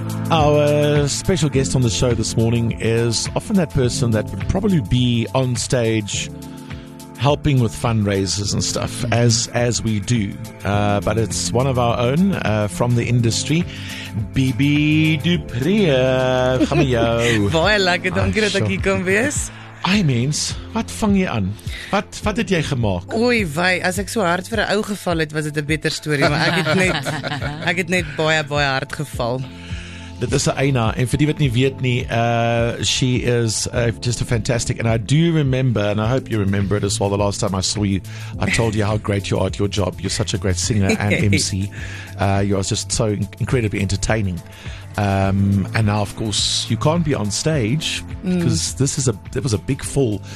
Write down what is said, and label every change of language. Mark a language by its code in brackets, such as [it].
[en] Our special guest on the show this morning is often that person that would probably be on stage helping with fundraisers and stuff, as we do. But it's one of our own from the industry. [af] Bibi Dupree, gaan met jou? Baie lekker, dankie dat ek hier kan wees. Ai mens, wat vang jy aan? Wat het jy gemaak? Oei wei, as ek so hard vir 'n ou geval het, was dit 'n beter story, maar ek het net baie, baie hard geval. Dit is Aina, en vir die wat nie weet nie, [en] she is just a fantastic, and I do remember, and I hope you remember it as well, the last time I saw you, I told you how great you are at your job. You're such a great singer and MC. You are just so incredibly entertaining. And now, of course, you can't be on stage, because it was a big fall.